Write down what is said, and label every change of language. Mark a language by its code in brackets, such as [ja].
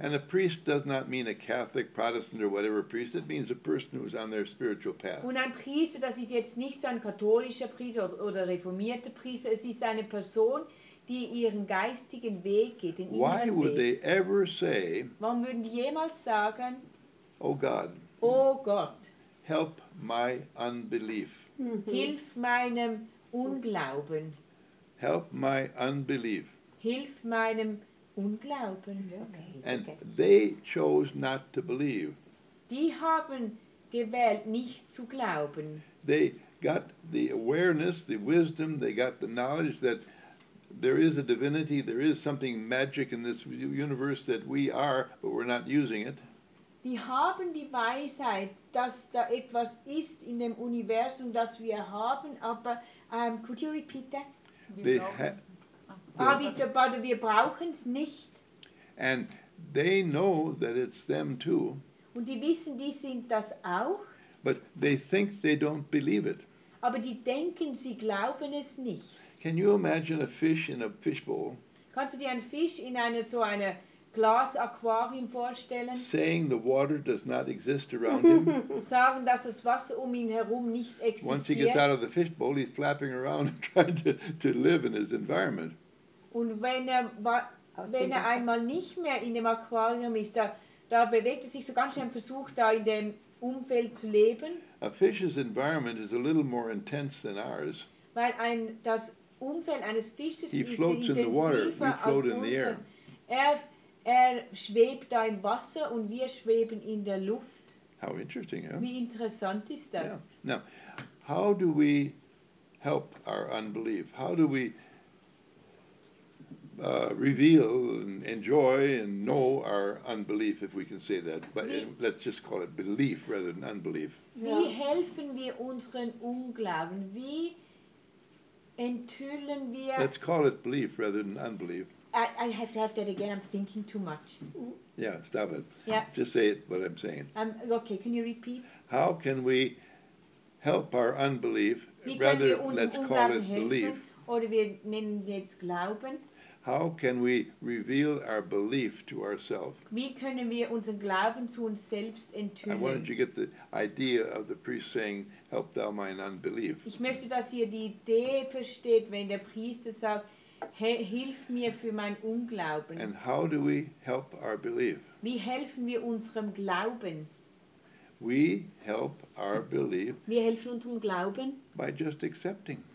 [en] And a priest does not mean a Catholic, Protestant, or whatever priest. It means a person who is on their spiritual path. [de] Und ein Priester, das ist jetzt nicht so ein katholischer Priester oder reformierter Priester. Es ist eine Person, die ihren geistigen Weg geht, den [en] Why would [de] Weg. [en] They ever say? [de] Warum würden die jemals sagen? [en] Oh God. [de] Oh Gott, [en] help my unbelief. [de] Hilf meinem Unglauben. [en] Help my unbelief. [de] Hilf meinem Unglauben. [en] Okay. And they chose not to believe. [de] Die haben gewählt, nicht zu glauben. [en] They got the awareness, the wisdom, they got the knowledge that there is a divinity, there is something magic in this universe that we are, but we're not using it. [de] Die haben die Weisheit, dass da etwas ist in dem Universum, das wir haben, aber, [en] could you repeat that? [de] Wir brauchen es nicht. [en] And they know that it's them too. [de] Und die wissen, die sind das auch. [en] But they think they don't believe it. [de] Aber die denken, sie glauben es nicht. [en] Can you imagine a fish in a fishbowl? [de] Kannst du dir einen Fisch in einer so einer Glas Aquarium vorstellen. [en] Saying the water does not exist around him. [de] Sagen, dass das Wasser um ihn herum nicht existiert. [en] Once he gets out of the fishbowl, he's flapping around and trying to live in his environment. [de] Und wenn er einmal nicht mehr in dem Aquarium ist, da bewegt er sich so ganz schnell und versucht, da in dem Umfeld zu leben. [en] A fish's environment is a little more intense than ours. [de] Weil das Umfeld eines Fisches ist intensiver [en] in the water. We float in the air. [de] Er schwebt da im Wasser und wir schweben in der Luft. [en] How interesting, yeah? [de] Wie interessant ist das? [en] Yeah. Now, how do we help our unbelief? How do we reveal and enjoy and know our unbelief, if we can say that? But let's just call it belief rather than unbelief. Yeah. [de] Wie helfen wir unseren Unglauben? Wie enthüllen wir... [en] Let's call it belief rather than unbelief. I have to have that again. I'm thinking too much. Yeah, stop it. Yeah. Just say it, what I'm saying. Okay, can you repeat? How can we help our unbelief, let's call it belief? [de] Oder wir nennen jetzt Glauben. [en] How can we reveal our belief to ourselves? [de] Wie können wir unseren Glauben zu uns selbst enthüllen? [en] I wanted you to get the idea of the priest saying, help thou mine unbelief. [de] Ich möchte, dass ihr die Idee versteht, wenn der Priester sagt, hilf mir für mein Unglauben. [en] And how do we help our belief? [de] Wie helfen wir unserem Glauben? [en] We help our belief. [de] Wir helfen unserem Glauben. [en] By just accepting.